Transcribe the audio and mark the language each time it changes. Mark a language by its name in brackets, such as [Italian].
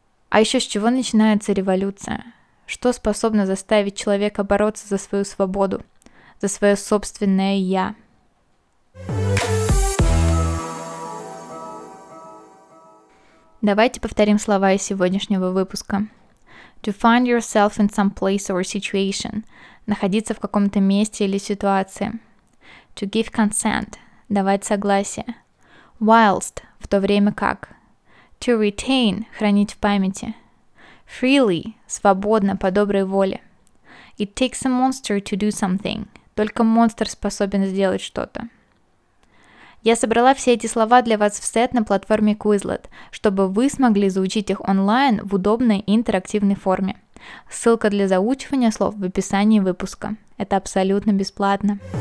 [Russian] А еще с чего начинается революция? Что способно заставить человека бороться за свою свободу, за свое собственное «я»? Давайте повторим слова из сегодняшнего выпуска. [English] To find yourself in some place or situation. [Russian] Находиться в каком-то месте или ситуации. [English] To give consent. [Russian] Давать согласие. [English] Whilst. [Russian] В то время как. [English] To retain [Russian] – хранить в памяти. [English] Freely [Russian] – свободно, по доброй воле. [English] It takes a monster to do something. [Russian] Только монстр способен сделать что-то. Я собрала все эти слова для вас в сет на платформе Quizlet, чтобы вы смогли заучить их онлайн в удобной и интерактивной форме. Ссылка для заучивания слов в описании выпуска. Это абсолютно бесплатно.